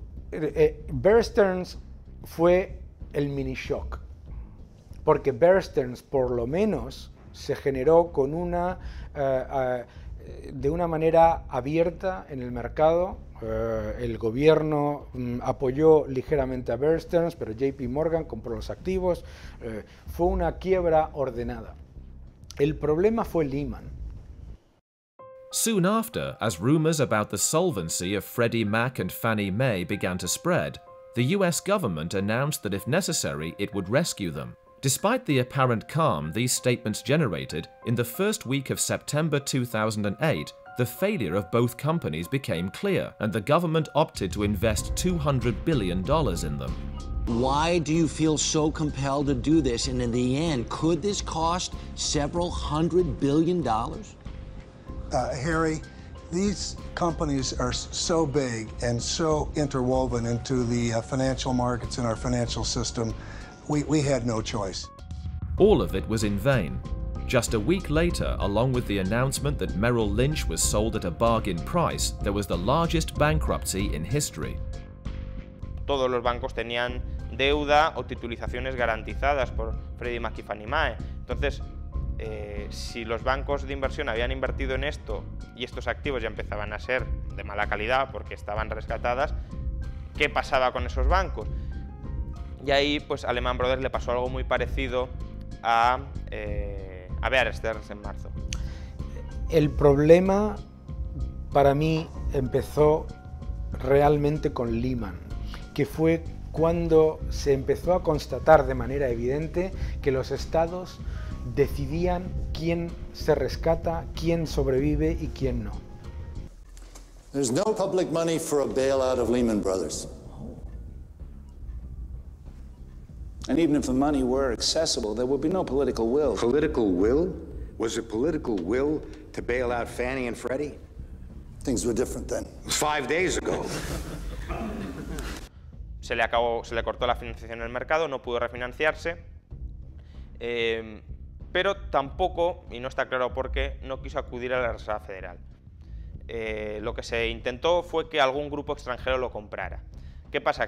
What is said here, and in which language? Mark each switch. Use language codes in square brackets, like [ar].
[es] Bear Stearns fue el mini shock, porque Bear Stearns por lo menos se generó con una manera abierta en el mercado. El gobierno apoyó ligeramente a Bear Stearns, pero JP Morgan compró los activos. Fue una quiebra ordenada. El problema fue Lehman. [en] Soon after, as rumors about the solvency of Freddie Mac and Fannie Mae began to spread, the US government announced that if necessary, it would rescue them. Despite the apparent calm these statements generated, in the first week of September 2008, the failure of both companies became clear, and the government opted to invest $200 billion in them. Why do you feel so compelled to do this? And in the end, could this cost several hundred billion dollars? Harry, these companies are so big and so interwoven into the financial markets and our financial system, we had no choice. All of it was in vain. Just a week later, along with the announcement that Merrill Lynch was sold at a bargain price, there was the largest bankruptcy in history. [es] Todos los bancos tenían deuda o titulizaciones garantizadas por Freddie Mac y Fannie Mae. Entonces, si los bancos de inversión habían invertido en esto y estos activos ya empezaban a ser de mala calidad porque estaban rescatadas, ¿qué pasaba con esos bancos? Y ahí, pues, a Lehman Brothers le pasó algo muy parecido a Bear Stearns en marzo. El problema para mí empezó realmente con Lehman, que fue cuando se empezó a constatar de manera evidente que los estados decidían quién se rescata, quién sobrevive y quién no. [en] There's no public money for a bailout of Lehman Brothers. And even if the money were accessible, there would be no political will. Political will? Was it political will to bail out Fannie and Freddie? Things were different then. 5 days ago. [es] Se le cortó la financiación en el mercado, no pudo refinanciarse. Pero tampoco, y no está claro por qué, no quiso acudir a la Reserva Federal. Lo que se intentó fue que algún grupo extranjero lo comprara. ¿Qué pasa?